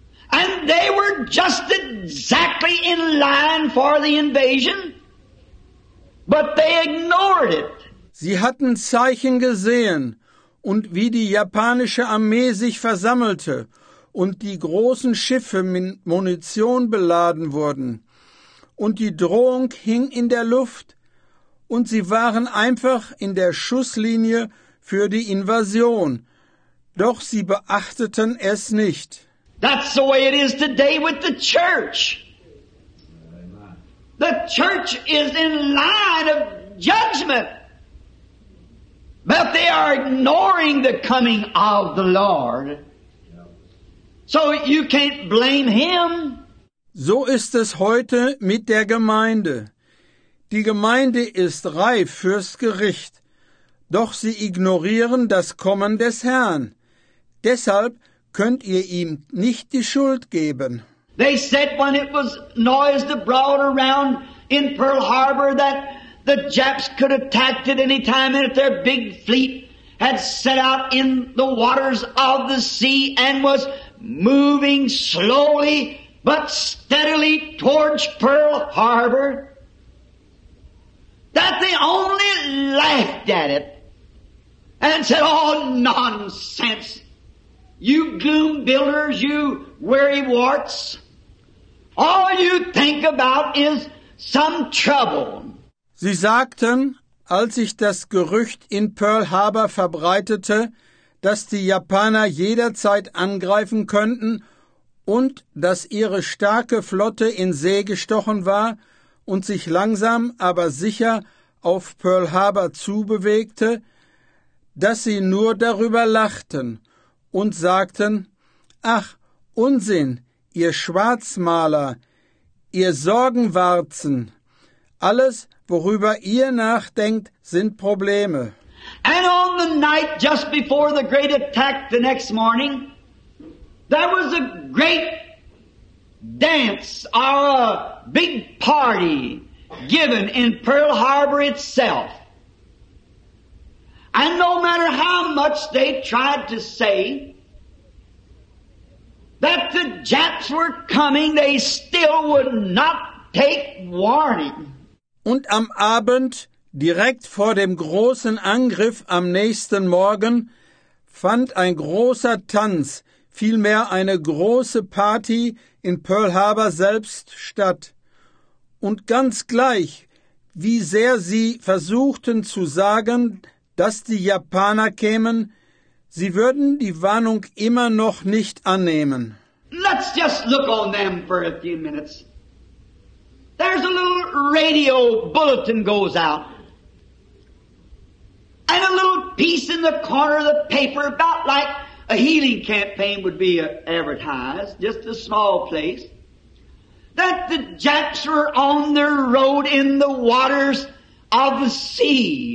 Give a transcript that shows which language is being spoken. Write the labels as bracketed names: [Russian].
[English] And they were just exactly in line for the invasion. But they ignored it. [German] Sie hatten Zeichen gesehen und wie die japanische Armee sich versammelte und die großen Schiffe mit Munition beladen wurden. Und die Drohung hing in der Luft und sie waren einfach in der Schusslinie für die Invasion. Doch sie beachteten es nicht. [English] That's the way it is today with the church. The church is in line of judgment, but they are ignoring the coming of the Lord. So you can't blame him. [German] So ist es heute mit der Gemeinde. Die Gemeinde ist reif fürs Gericht, doch sie ignorieren das Kommen des Herrn. Deshalb könnt ihr ihm nicht die Schuld geben. [English] They said when it was noised abroad around in Pearl Harbor that the Japs could attack at any time and if their big fleet had set out in the waters of the sea and was moving slowly but steadily towards Pearl Harbor, that they only laughed at it and said, "Oh, nonsense, you gloom builders, you weary warts. All you think about is some trouble." [German] Sie sagten, als sich das Gerücht in Pearl Harbor verbreitete, dass die Japaner jederzeit angreifen könnten und dass ihre starke Flotte in See gestochen war und sich langsam, aber sicher auf Pearl Harbor zubewegte, dass sie nur darüber lachten und sagten, "Ach, Unsinn, ihr Schwarzmaler, ihr Sorgenwarzen, alles, worüber ihr nachdenkt, sind Probleme." [English] And on the night just before the great attack the next morning, there was a great dance, or a big party given in Pearl Harbor itself. And no matter how much they tried to say that the Japs were coming, they still would not take warning. [German] Und am Abend, direkt vor dem großen Angriff am nächsten Morgen, fand ein großer Tanz, vielmehr eine große Party in Pearl Harbor selbst statt. Und ganz gleich, wie sehr sie versuchten zu sagen, dass die Japaner kämen, sie würden die Warnung immer noch nicht annehmen. [English] Let's just look on them for a few minutes. There's a little radio bulletin goes out. And a little piece in the corner of the paper, about like a healing campaign would be advertised, just a small place, that the Japs were on their road in the waters of the sea.